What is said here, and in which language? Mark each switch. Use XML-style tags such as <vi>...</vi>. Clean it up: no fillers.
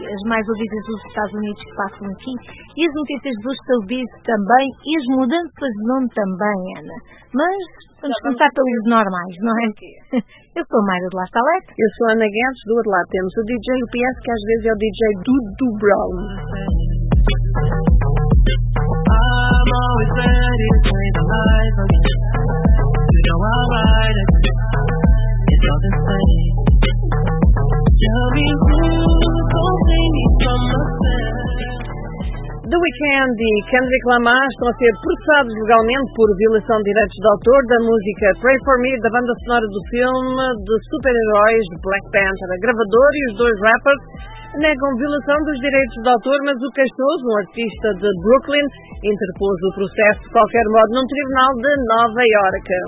<pt>As mais ouvidas dos Estados Unidos passam aqui, e as notícias dos showbiz também, e as mudanças de nome também, Ana. Mas vamos começar pelos normais, não é? Eu sou a Mayra de La Salette. Eu sou a Ana Guedes, do outro lado temos o DJ UPS, que às vezes é o DJ Dudu Brown.</pt> <en>I'm always ready to play the life on you. You know I'll ride it. It's all the same. Tell me who, don't save me from myself.</en> <pt>The Weeknd e Kendrick Lamar estão a ser processados legalmente por violação de direitos de autor da música Pray For Me, da banda sonora do filme de super-heróis de Black Panther. A gravadora e os dois rappers negam violação dos direitos de autor, mas o Castoso, um artista de Brooklyn, interpôs o processo de qualquer modo num tribunal de Nova York.</pt>